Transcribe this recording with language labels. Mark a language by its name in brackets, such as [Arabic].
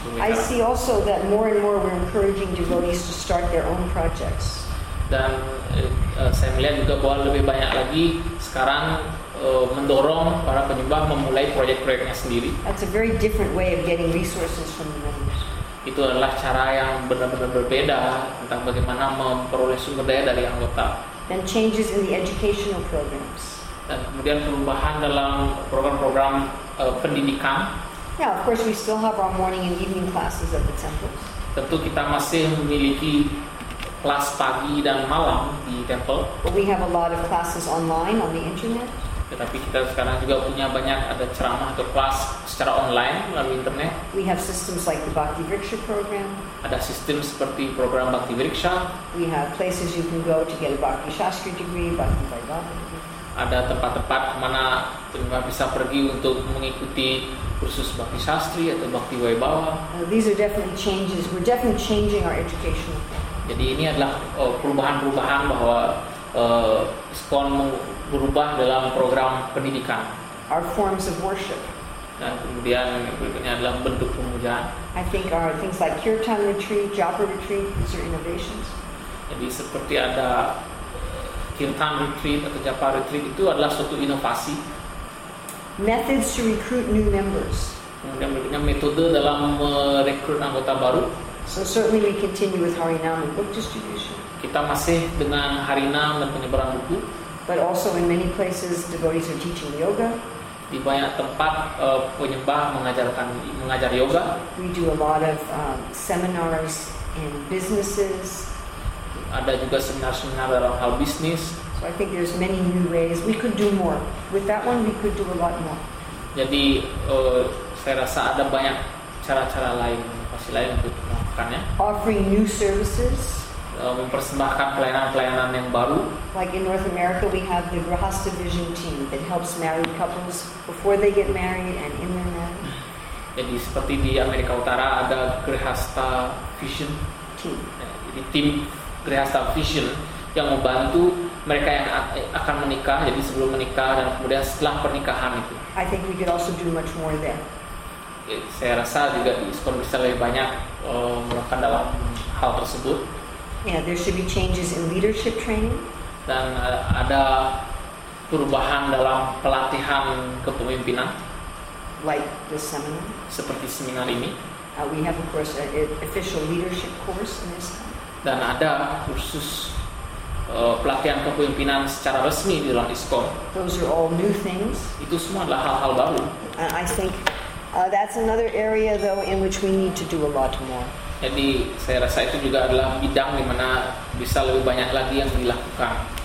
[English] I see also that more and more we're encouraging devotees to start their own projects. [Indonesian] Dan saya melihat juga bahwa lebih banyak lagi sekarang mendorong para penyembah memulai proyek-proyeknya sendiri. [English] That's a very different way of getting resources from the members. [Indonesian] Itu adalah cara yang benar-benar berbeda tentang bagaimana memperoleh sumber daya dari anggota. [English] Then changes in the educational programs. [Indonesian] Dan kemudian perubahan dalam program-program pendidikan. [English] Yeah, of course we still have our morning and evening classes at the temples. [Indonesian] Tentu kita masih memiliki kelas pagi dan malam di temple. [English] But we have a lot of classes online on the internet. [Indonesian] Tetapi kita sekarang juga punya banyak ada ceramah atau kelas secara online melalui internet. [English] We have systems like the Bhakti Vriksha program. [Indonesian] Ada sistem seperti program Bhakti Vriksha. [English] We have places you can go to get a Bhakti Shastri degree, Bhakti Vaibhava. [Indonesian] Ada tempat-tempat mana penerima bisa pergi untuk mengikuti kursus Bhakti Shastri atau Bhakti Vaibhava. [English] These are definitely changes. We're definitely changing our education. [Indonesian] Jadi ini adalah perubahan-perubahan bahwa SKON berubah dalam program pendidikan. [English] Our forms of worship. [Indonesian] Dan kemudian berikutnya adalah bentuk pemujaan. [English] I think our things like kirtan retreat, japa retreat, these are innovations. [Indonesian] Jadi seperti ada kirtan retreat atau japa retreat itu adalah suatu inovasi. [English] Methods to recruit new members. [Indonesian] Kemudian berikutnya metode dalam merekrut anggota baru. [English] So certainly we continue with Harinam and book distribution. [Indonesian] Kita masih dengan Harinam dan penyebaran buku. [English] But also in many places devotees are teaching yoga. [Indonesian] Di banyak tempat penyembah mengajar yoga. [English] We do a lot of seminars in businesses. [Indonesian] Ada juga seminar-seminar dalam hal bisnis. [English] So I think there's many new ways. We could do more. With that one we could do a lot more. [Indonesian] Jadi saya rasa ada banyak cara-cara lain, pasti lain untuk melakukannya. [English] Offering new services. [Indonesian] Mempersembahkan pelayanan-pelayanan yang baru. [English] Like in North America, we have the Grihastha Vision team that helps married couples before they get married and in their marriage. [Indonesian] Jadi seperti di Amerika Utara ada Grihastha Vision team. Jadi tim Grihastha Vision yang membantu mereka yang akan menikah, jadi sebelum menikah dan kemudian setelah pernikahan itu. [English] I think we could also do much more there. [Indonesian] Saya rasa juga di SKON bisa lebih banyak melakukan dalam hal tersebut. [English] Yeah, there should be changes in leadership training. [Indonesian] Dan ada perubahan dalam pelatihan kepemimpinan. [English] Like the seminar. [Indonesian] Seperti seminar ini. [English] We have of course an official leadership course in this. [Indonesian] Dan ada kursus pelatihan kepemimpinan secara resmi di dalam ISKON. [English] Those are all new things. [Indonesian] Itu semua adalah hal-hal baru. [English] I think that's another area though in which we need to do a lot more. [Indonesian] Jadi saya rasa itu juga adalah bidang di mana bisa lebih banyak lagi yang dilakukan.